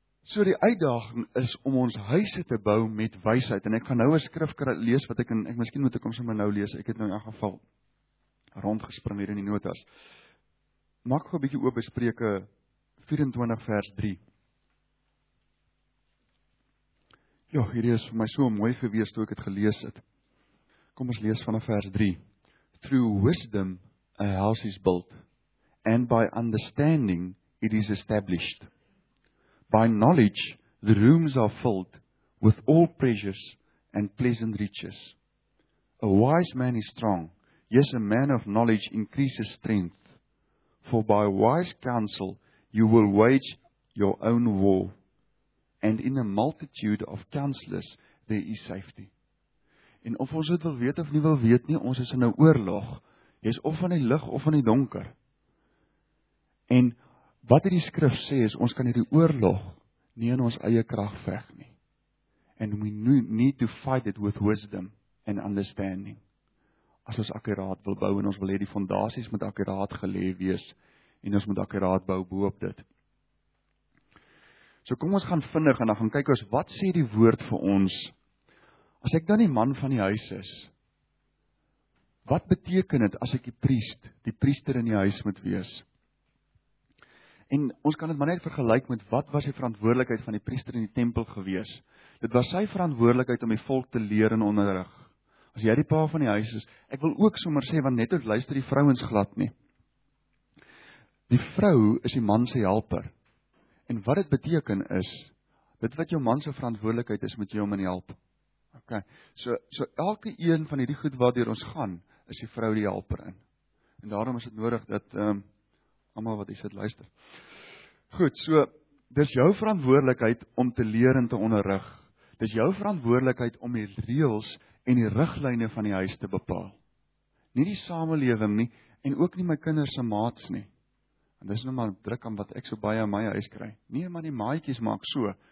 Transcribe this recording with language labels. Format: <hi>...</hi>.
<af>So die uitdaging is om ons huise te bou met wysheid. En ek gaan nou 'n skrif lees wat ek miskien moet ek hom sommer nou lees. Ek het nou in 'n geval rondgespring hier in die notas. Maak gou 'n bietjie oop by Spreuke 24 vers 3. Ja, hierdie is vir my so mooi gewees toe ek het gelees het. Kom ons lees vanaf vers 3.</af> <en>Through wisdom a house is built, and by understanding it is established. By knowledge the rooms are filled with all pleasures and pleasant riches. A wise man is strong, yes, a man of knowledge increases strength. For by wise counsel you will wage your own war. And in a multitude of counselors, there is safety.</en> <af>En of ons dit wil weet of nie wil weet nie, ons is in 'n oorlog. Jy is of van die lig of van die donker. En wat hierdie skrif sê is, ons kan hierdie oorlog nie in ons eie krag veg nie.</af> <en>And we need to fight it with wisdom and understanding.</en> <af>As ons akkuraat wil bou en ons wil hê die fondasies moet akkuraat gelê wees en ons moet akkuraat bou bo op dit. So kom ons gaan vinnig en dan gaan kyk ons wat sê die woord vir ons. As ek dan die man van die huis is, wat beteken dit as ek die priester in die huis moet wees? En ons kan dit maar net vergelyk met wat was die verantwoordelikheid van die priester in die tempel gewees? Dit was sy verantwoordelikheid om die volk te leer en onderrig. As jy die pa van die huis is, ek wil ook sommer sê, want net ook luister die vrouens glad nie. Die vrou is die man se helper. En wat dit beteken is, dit wat jou man se verantwoordelikheid is, moet jy hom in help. Ok, so elke een van die goed waardeur ons gaan, is die vrou die helper in. En daarom is het nodig dat, allemaal wat is het luister. Goed, so, dis jou verantwoordelikheid om te leer en te onderrig. Dis jou verantwoordelikheid om die reëls en die riglyne van die huis te bepaal. Nie die samelewing nie, en ook nie my kinders se maats nie. En dis nou maar druk aan wat ek so baie in my huis kry. Nee, maar die maatjies maak so.</af>